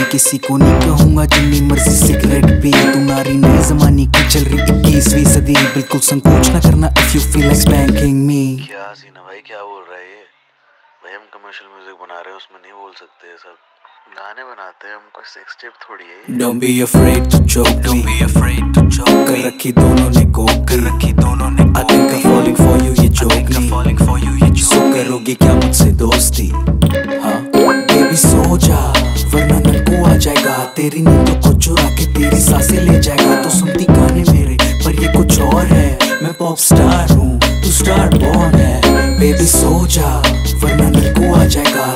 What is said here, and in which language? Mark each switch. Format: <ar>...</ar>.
<hi>किसी को नहीं कहूंगा जिन्नी मर्जी सिगरेट पी। तू नारी नए जमाने की चल रही 21वीं सदी। बिल्कुल संकोच ना करना</hi> <en>If you feel like spanking me.</en> <hi>क्या सीन है भाई, क्या बोल रहा है ये भाई? हम कमर्शियल म्यूजिक बना रहे हैं, उसमें नहीं बोल सकते सब। गाने बनाते हैं, हमको सेक्स टेप थोड़ी है।</hi> <en>Don't be afraid to choke me. Don't be afraid to choke me.</en> <hi>कर रखी दोनों ने कोक कर रखी दोनों ने।</hi> <en>I think I'm falling for you,</en> <hi>ये joke नहीं।</hi> <en>I think I'm falling for you,</en> <hi>ये joke नहीं। सो करोगे क्या मुझसे दोस्ती? हाँ, baby सो जा, वरना नलकू आ जाएगा। तेरी नींद को चुरा के तेरी सांसें ले जाएगा। तो सुनती गाने मेरे, पर ये कुछ और है। मैं पॉप स्टार हूँ, तू स्टार बॉर्न है। बेबी सो जा वरना नलकू आ जाएगा।</hi>